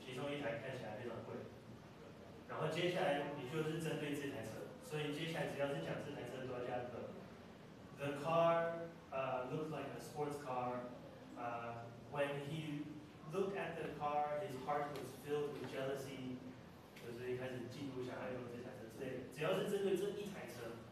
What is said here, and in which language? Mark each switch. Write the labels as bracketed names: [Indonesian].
[Chinese] 其中一台看起来非常贵.然后接下来你就是针对这台车. 所以接下来只要是讲这台车多加的. [English] The car looked like a sports car. When he looked at the car, his heart was filled with jealousy. [Chinese] 就是一开始嫉妒想要用这台车之类的，只要是针对这一台车。